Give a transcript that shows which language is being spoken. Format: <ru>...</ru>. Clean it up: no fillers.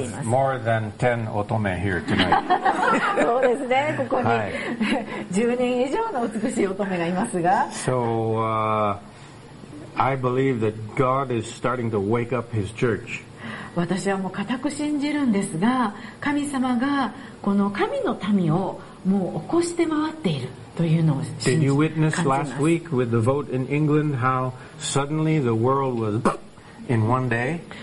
<en>We have more than 10 乙女 here tonight.</en> <ja>そうですね、ここに10人以上の美しい乙女がいますが。</ja> <en>So, I believe that God is starting to wake up His church.</en> <ja>私はもう固く信じるんですが、神様がこの神の民をもう起こして回っているというのを信じます。</ja> <en>Did you witness last week with the vote in England how suddenly the world was in one day?</en>